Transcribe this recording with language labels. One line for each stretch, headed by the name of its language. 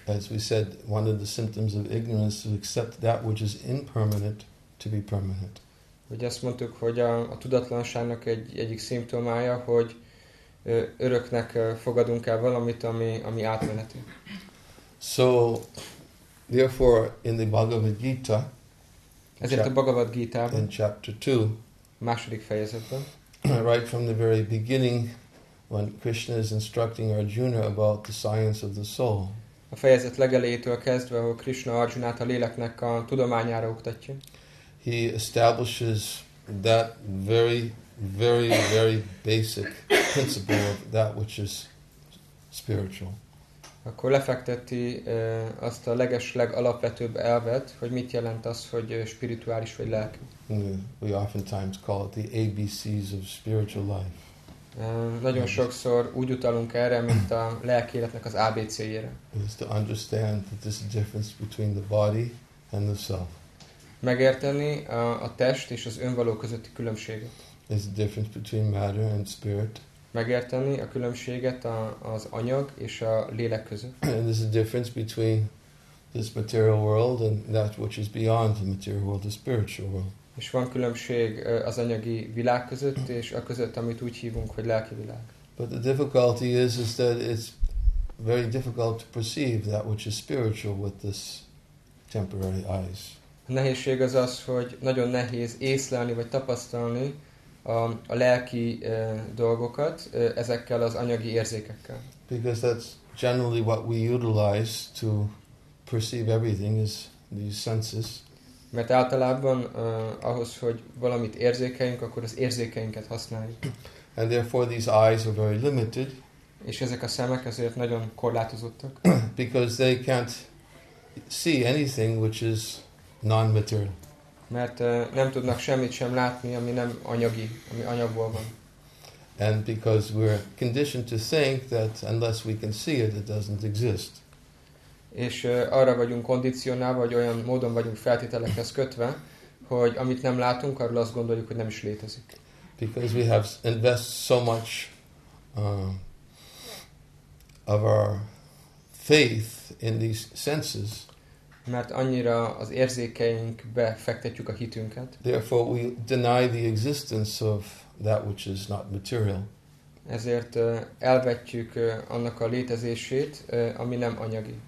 English: As we said, one of the symptoms of ignorance is to accept that which is impermanent to be permanent.
Hungarian: Ugye azt mondtuk, hogy a tudatlanságnak egyik szimptomája, hogy öröknek fogadunk el valamit, ami átmeneti.
English: So, therefore, in the Bhagavad Gita,
Hungarian: ezért a Bhagavad Gita-ban,
English: in chapter 2,
Hungarian: második fejezetben,
English: right from the very beginning, when Krishna is instructing Arjuna about the science of the soul,
Hungarian: a fejezet legelejétől kezdve, ahol Krishna Arjunát a léleknek a tudományára oktatja,
English: he establishes that very, very, very basic principle of that which is spiritual.
Hungarian: Akkor lefekteti azt a legalapvetőbb elvet, hogy mit jelent az, hogy spirituális vagy lelki.
English: We oftentimes call it the ABCs of spiritual life.
Hungarian: Nagyon sokszor úgy utalunk erre, mint a lelki életnek az ABC-jére.
English: It is to understand that there's a difference between the body and the self.
Hungarian: Megérteni a test és az önvaló közötti különbséget.
English: There's a difference between matter and spirit.
Hungarian: Megérteni a különbséget az anyag és a lélek között.
English: And there's a difference between this material world and that which is beyond the material world, the spiritual world.
Hungarian: És van különbség az anyagi világ között és a között, amit úgy hívunk, hogy lelki világ.
English: But the difficulty is that it's very difficult to perceive that which is spiritual with this temporary eyes.
Hungarian: A nehézség az az, hogy nagyon nehéz észlelni vagy tapasztalni a lelki dolgokat ezekkel az anyagi érzékekkel.
English: Because that's generally what we utilize to perceive everything is these senses.
Hungarian: Mert általában ahhoz, hogy valamit érzékeljünk, akkor az érzékeinket használjuk.
English: And therefore these eyes are very limited.
Hungarian: És ezek a szemek ezért nagyon korlátozottak.
English: Because they can't see anything which is non-material.
Hungarian: Mert nem tudnak semmit sem látni, ami nem anyagi, ami anyagból van.
English: And because we're conditioned to think that unless we can see it, it doesn't exist.
Hungarian: És arra vagyunk kondicionálva, vagy olyan módon vagyunk feltételekhez kötve, hogy amit nem látunk, arról azt gondoljuk, hogy nem is létezik.
English: Because we have invested so much of our faith in these senses.
Hungarian: Mert annyira az érzékeinkbe fektetjük a hitünket.
English: Therefore we deny the existence of that which is not material.
Hungarian: Ezért elvetjük annak a létezését, ami nem anyagi.